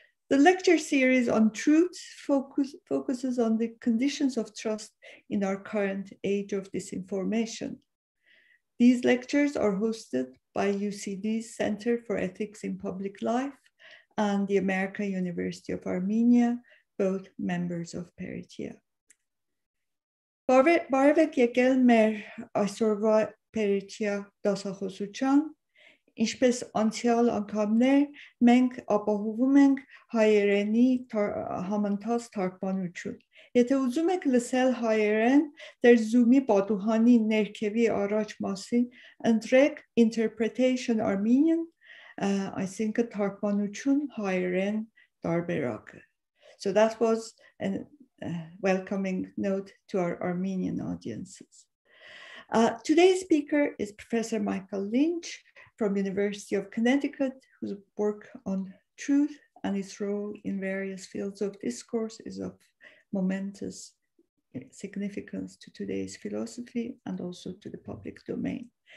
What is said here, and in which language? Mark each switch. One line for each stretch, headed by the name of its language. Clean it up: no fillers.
English: The lecture series on truth focuses on the conditions of trust in our current age of disinformation. These lectures are hosted by UCD's Center for Ethics in Public Life and the American University of Armenia, both members of PERITIA.
Armenian: Բարևեք եկել մեր այսօր PERITIA դասախոսության. Ինչպես անցյալ անգամներ, մենք ապահովում ենք հայերենի համընթաց թարգմանություն։ Եթե ուզում եք լսել հայերեն, ձեր Zoom-ի պատուհանի ներքևի առաջ մասին ընտրեք Interpretation Armenian, այսինքն թարգմանություն հայերեն տարբերակը.
English: So that was a welcoming note to our Armenian audiences. Today's speaker is Professor Michael Lynch, from University of Connecticut, whose work on truth and its role in various fields of discourse is of momentous significance to today's philosophy and also to the public domain.